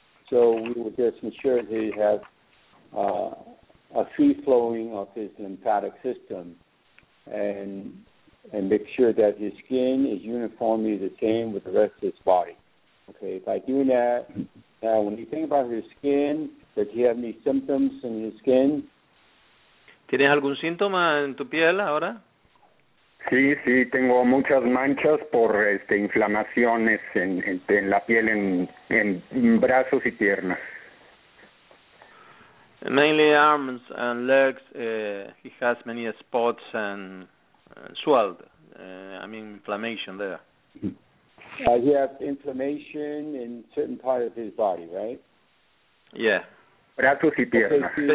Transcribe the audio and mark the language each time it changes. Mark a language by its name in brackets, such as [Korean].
[English] So we will just ensure that he has a free flowing of his lymphatic system, and make sure that his skin is uniformly the same with the rest of his body. Okay, by doing that, now when you think about his skin, does he have any symptoms in his skin? [Spanish] ¿Tienes algún síntoma en tu piel ahora? Sí, sí, tengo muchas manchas por inflamaciones en la piel, en brazos y piernas. [English] Mainly arms and legs, he has many spots and swelled, inflammation there. He has inflammation in certain parts of his body, right? Yeah. [Spanish] Brazos y piernas. Okay,